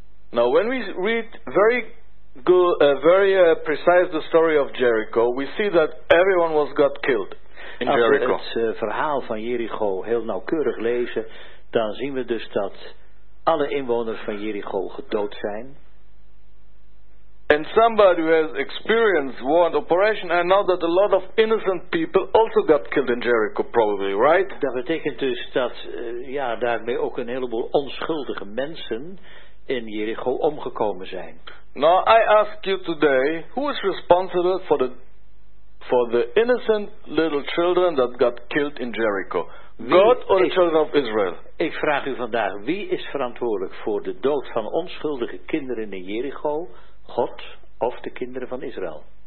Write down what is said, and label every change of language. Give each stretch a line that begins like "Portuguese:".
English: Now when we read very good, precise the story of Jericho, we see that everyone was got killed in Jericho.
Dutch: Als we het verhaal van Jericho heel nauwkeurig lezen, dan zien we dus dat alle inwoners van Jericho gedood zijn.
English: And somebody who has experienced war and oppression, I know that a lot of innocent people also got killed in Jericho, probably, right?
Dutch: Dat betekent dus dat daarmee ook een heleboel onschuldige mensen in Jericho omgekomen zijn.
English: Now I ask you today, who is responsible for the innocent little children that got killed in Jericho? God or the children of Israel?
Dutch: Ik vraag u vandaag, wie is verantwoordelijk voor de dood van onschuldige kinderen in Jericho? God of de kinderen van Israël?